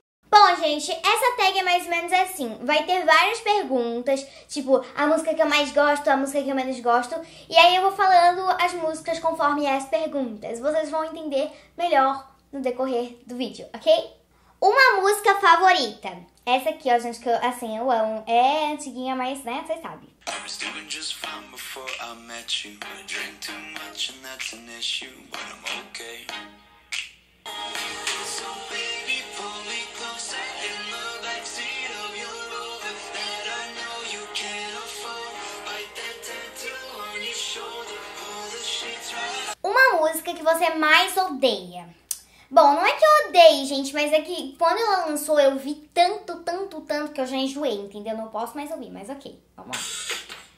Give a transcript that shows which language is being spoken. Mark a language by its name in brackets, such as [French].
[Portuguese] Bom, gente, essa tag é mais ou menos assim. Vai ter várias perguntas, tipo, a música que eu mais gosto, a música que eu menos gosto. E aí eu vou falando as músicas conforme as perguntas. Vocês vão entender melhor no decorrer do vídeo, ok? Uma música favorita. Essa aqui, ó, gente, que eu, assim, eu amo. É antiguinha, mas, né, vocês sabem. [English] I was doing just fine before I met you. I drank too much and that's an issue, but I'm okay. So baby, pull me closer in the backseat of your Rover that I know you can't afford. Bite that tattoo on your shoulder, pull the sheets right. [Portuguese] Uma música que você mais odeia. Bom, não é que eu odeie, gente, mas é que quando ela lançou eu vi tanto, tanto, tanto que eu já enjoei, entendeu? Não posso mais ouvir, mas ok, vamos lá.